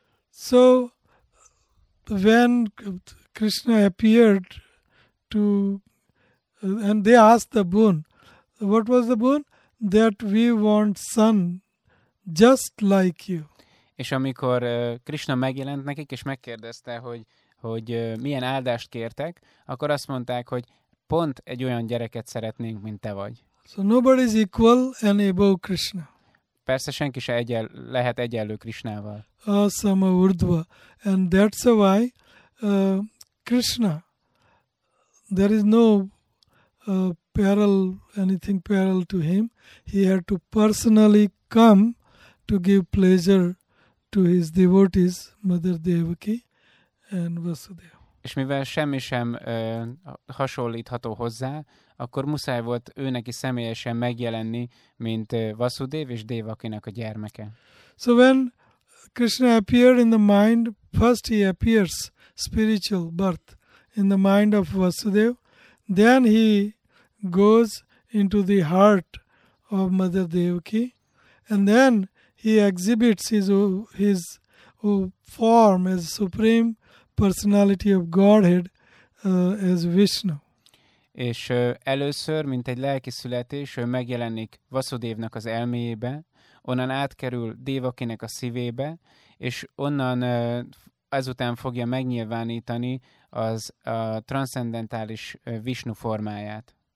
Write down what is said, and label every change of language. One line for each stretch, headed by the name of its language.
English: So when Krishna appeared to and they asked the boon, what was the boon? That we want son just like you.
Hungarian: És amikor Krishna megjelent nekik és megkérdezte, hogy milyen áldást kértek, akkor azt mondták, hogy pont egy olyan gyereket szeretnénk, mint te vagy.
English: So nobody is equal and above Krishna.
Hungarian: Persze senki se lehet egyenlő Krishnával.
Sanskrit: Asama urdva.
English: And that's why Krishna, there is no parallel to him. He had to personally come to give pleasure to his devotees, Mother Devaki and Vasudev.
Hungarian: És mivel semmi sem hasonlítható hozzá, akkor muszáj volt ő neki személyesen megjelenni, mint Vasudev és Devakinak a gyermeke.
English: So when Krishna appeared in the mind, first he appears spiritual birth in the mind of Vasudev, then he goes into the heart of Mother Devaki, and then he exhibits his form as supreme personality of Godhead as Vishnu.
Hungarian: És először, mint egy lelki születés, ő megjelenik Vasudevnak az elméjébe, onnan átkerül Devakinek a szívébe, és onnan ezután fogja megnyilvánítani a transzcendentális Vishnu formáját.